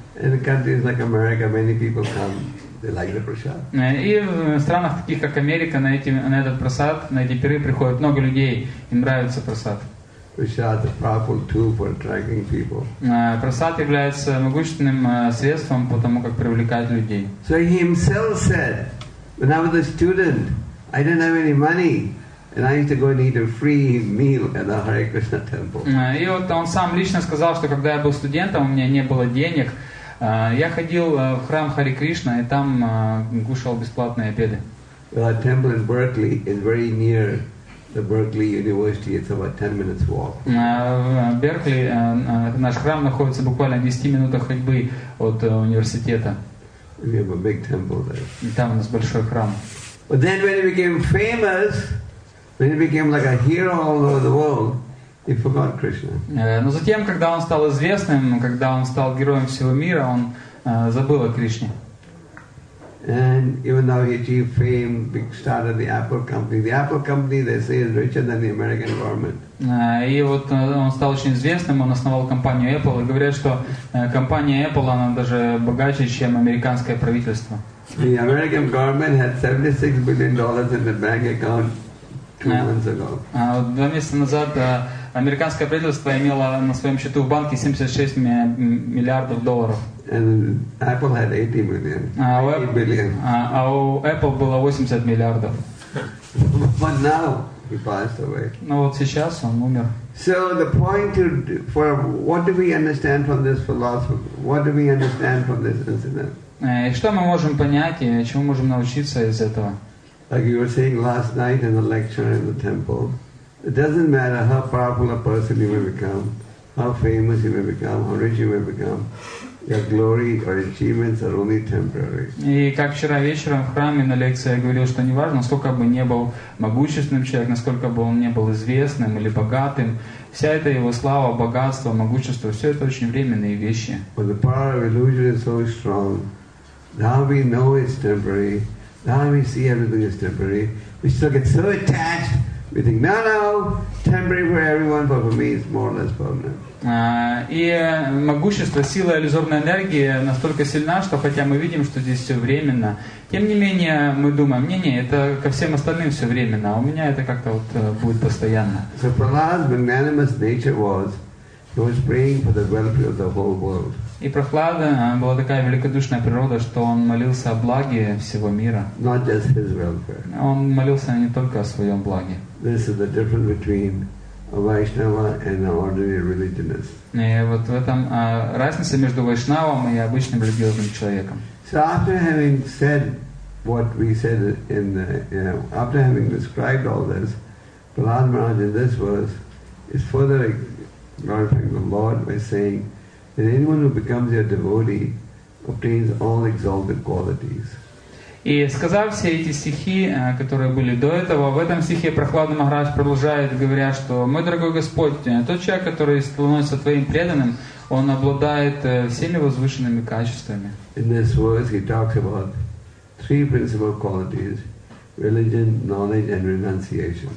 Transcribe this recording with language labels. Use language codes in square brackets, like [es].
[en] In countries like America, many people come. They like the prasad. [ru] И в странах таких как Америка на этот просад, на эти пиры приходят много людей, им нравится просад. [en] Prasad is powerful tool for attracting people. [ru] Просад является могущественным средством, потому как привлекает людей. [en] So he himself said, when I was a student, I didn't have any money, and I used to go and eat a free meal at the Hare Krishna temple. [ru] И вот он сам лично сказал, что когда я был студентом, у меня не было денег. Я ходил в храм Харе Кришна и там кушал бесплатные обеды. [en] Well, our temple in Berkeley is very near the Berkeley University. It's about 10 minutes walk. [ru] В Беркли наш храм находится буквально в 10 минутах ходьбы от университета. [en] We have a big temple there. [ru] И там у нас большой храм. [en] But then when he became famous, when he became like a hero all over the world, he forgot Krishna. [ru] Но затем, когда он стал известным, когда он стал героем всего мира, он забыл о Кришне. [en] And even though he achieved fame, he started the Apple company. The Apple company, they say, is richer than the American government. [ru] И вот он стал очень известным, он основал компанию Apple. И говорят, что компания Apple, она даже богаче, чем американское правительство. [en] The American government had $76 billion in the bank account 2 months ago. [ru] 2 месяца назад американское правительство имело на своем счету в банке 76 миллиардов долларов. [en] And Apple had 80 million. [ru] А у Apple было 80 миллиардов. [en] But now he passed away. [ru] Но вот сейчас он умер. [en] So the point to, for what do we understand from this philosophy? What do we understand from this incident? [ru] И что мы можем понять и чему можем научиться из этого? [en] Like you were saying last night in the lecture in the temple. It doesn't matter how powerful a person you may become, how famous you may become, how rich you may become. Your glory or achievements are only temporary. [ru] И как вчера вечером в храме на лекции я говорил, что неважно, сколько бы не был могущественным человек, насколько бы он не был известным или богатым, вся эта его слава, богатство, могущество, все это очень временные вещи. [en] But the power of illusion is so strong. Now we know it's temporary. Now we see everything is temporary. We still get so attached. We think, no, no, temporary for everyone, but for me it's more or less permanent. [ru] И могущество, сила иллюзорной энергии настолько сильна, что хотя мы видим, что здесь все временно, тем не менее мы думаем, не-не, это ко всем остальным все временно, а у меня это как-то вот будет постоянно. [en] So Prahlad's magnanimous nature was, he was praying for the welfare of the whole world. [ru] И Прохлада была такая великодушная природа, что он молился о благе всего мира. [en] Not just his welfare. [ru] Он молился не только о своем благе. [en] This is the difference between a Vaishnava and an ordinary religionist. [ru] И вот в этом разница между Вайшнавом и обычным религиозным человеком. [en] So after having said what we said in the, you know, after having described all this, Prahlad Maharaj in this verse is further glorifying the Lord by saying that anyone who becomes your devotee obtains all exalted qualities. [ru] И сказав все эти стихи, которые были до этого, в этом стихе Прохлад Махарадж продолжает, говоря, что «Мой дорогой Господь, тот человек, который становится твоим преданным, он обладает всеми возвышенными качествами». [en] In this verse he talks about three principal qualities: religion, knowledge and renunciation.